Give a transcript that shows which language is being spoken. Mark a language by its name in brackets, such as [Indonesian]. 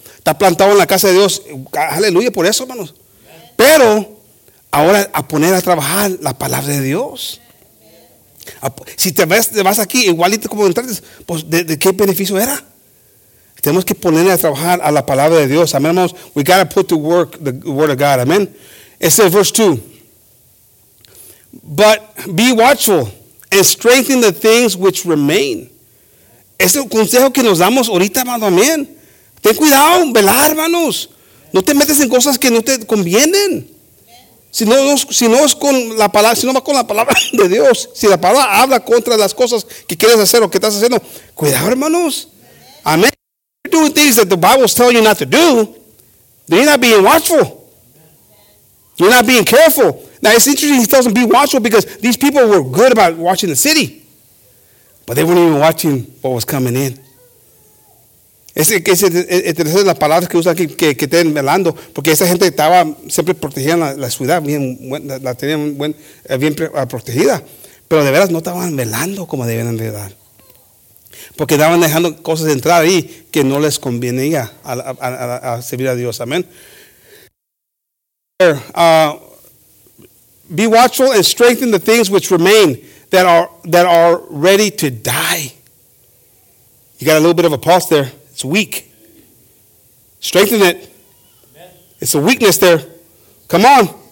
[Spanish] Está plantado en la casa de Dios. Aleluya por eso, hermanos. Pero ahora a poner a trabajar la palabra de Dios. Si te vas aquí igualito como entraste, pues ¿de qué beneficio era? Tenemos que ponerle a trabajar a la palabra de Dios. Amén, hermanos. [English] We got to put to work the word of God. Amén. It says, verse 2. But be watchful and strengthen the things which remain. [Spanish] Este es el consejo que nos damos ahorita, hermano. Amén. Ten cuidado, velar, hermanos. No te metes en cosas que no te convienen. Si no va con la palabra de Dios, si la palabra habla contra las cosas que quieres hacer o que estás haciendo, cuidado, hermanos. Amén. [English] Doing things that the Bible is telling you not to do, then you're not being watchful. You're not being careful. Now it's interesting he tells them be watchful because these people were good about watching the city, but they weren't even watching what was coming in. [Spanish] Es la palabra que usa aquí, que estén velando, porque esa gente estaba siempre protegiendo la ciudad, la tenían bien protegida, pero de veras no estaban velando como debían velar. Porque estaban dejando cosas entrar ahí que no les convenía a servir a Dios. Amén. [English] Be watchful and strengthen the things which remain that are ready to die. You got a little bit of a pause there. It's weak. Strengthen it. It's a weakness there. Come on.